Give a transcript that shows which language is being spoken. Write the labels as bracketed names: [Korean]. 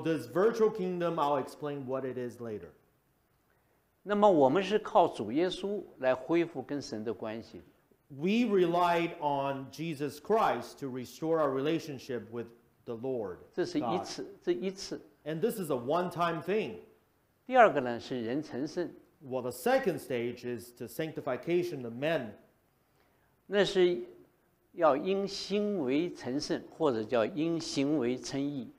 [English] this virtual kingdom, I'll explain what it is later. [Chinese] 那么我们是靠主耶稣来恢复跟神的关系。 [English] We relied on Jesus Christ to restore our relationship with the Lord. [Chinese] 这是一次。 [English] And this is a one-time thing. [Chinese] 第二个呢是人成圣。 [English] Well, the second stage is the sanctification of men. [Chinese] 那是要因行为成圣，或者叫因行为称义。